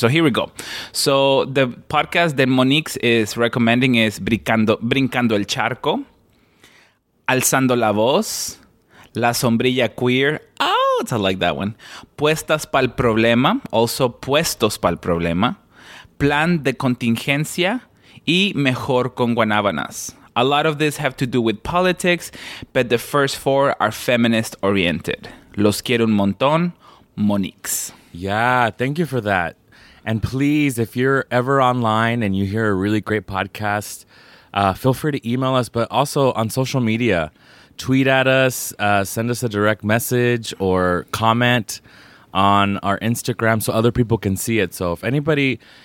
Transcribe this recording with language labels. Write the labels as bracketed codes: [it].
[en] So here we go. So the podcast that Monique is recommending is Brincando el Charco, Alzando la Voz, La Sombrilla Queer. Oh, I like that one. Puestas pa'l Problema, also Puestos pa'l Problema, Plan de Contingencia, y Mejor con Guanábanas. A lot of this have to do with politics, but the first four are feminist-oriented. [es] Los quiero un montón, Monique. [en] Yeah, thank you for that. And please, if you're ever online and you hear a really great podcast, feel free to email us, but also on social media. Tweet at us, send us a direct message, or comment on our Instagram so other people can see it. So if anybody...